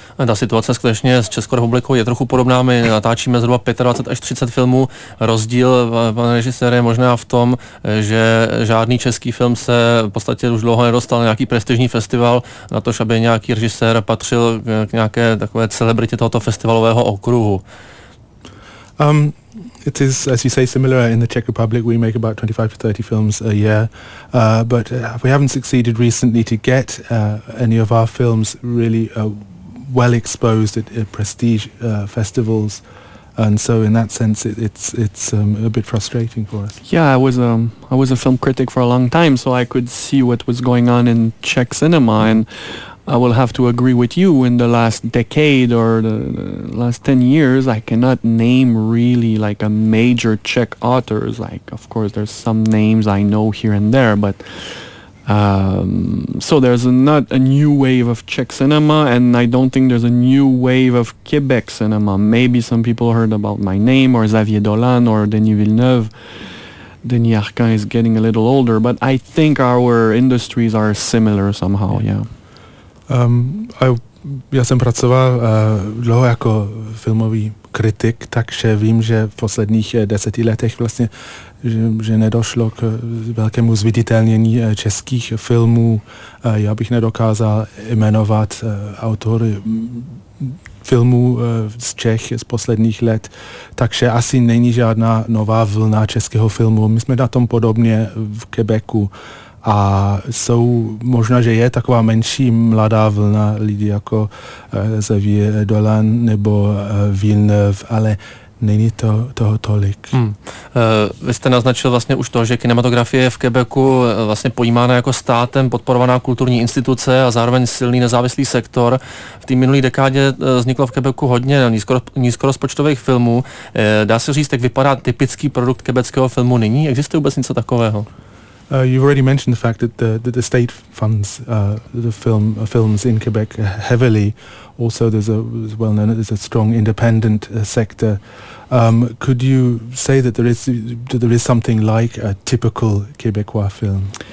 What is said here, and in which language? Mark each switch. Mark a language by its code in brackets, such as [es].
[cs] Ta situace skutečně s Českou republikou je trochu podobná. My natáčíme zhruba 25 až 30 filmů. Rozdíl, pane režisére, je možná v tom, že žádný český film se v podstatě už dlouho nedostal na nějaký prestižní festival, natož aby nějaký režisér patřil k nějaké takové celebritě tohoto festivalového okruhu. [en] It is, as you say, similar in the Czech Republic. We make about 25 to 30 films a year, but we haven't succeeded recently to get any of our films really well exposed at prestige festivals, and so in that sense it's a bit frustrating for us. Yeah, I was a film critic for a long time, so I could see what was going on in Czech cinema, and I will have to agree with you, in the last decade or the last 10 years, I cannot name really like a major Czech authors. Like, of course, there's some names I know here and there, but so there's not a new wave of Czech cinema, and I don't think there's a new wave of Quebec cinema. Maybe some people heard about my name, or Xavier Dolan, or Denis Villeneuve. Denis Arcand is getting a little older, but I think our industries are similar somehow, yeah. [cs] Já jsem pracoval dlouho jako filmový kritik, takže vím, že v posledních 10 letech vlastně, že nedošlo k velkému zviditelnění českých filmů. Já bych nedokázal jmenovat autory filmů z Čech z posledních let, takže asi není žádná nová vlna českého filmu. My jsme na tom podobně v Quebecu. A jsou, možná, že je taková menší mladá vlna lidí jako Xavier Dolan nebo Villeneuve, ale není toho tolik. Vy jste naznačil vlastně už to, že kinematografie v Quebecu vlastně pojímána jako státem podporovaná kulturní instituce a zároveň silný nezávislý sektor. V té minulé dekádě vzniklo v Quebecu hodně nízkorozpočtových filmů. Dá se říct, jak vypadá typický produkt quebeckého filmu nyní? Existuje vůbec něco takového? [en] You've already mentioned the fact that the state funds the films in Quebec heavily. Also, there's well known, there's a strong independent sector. Could you say that there is something like a typical Quebecois film?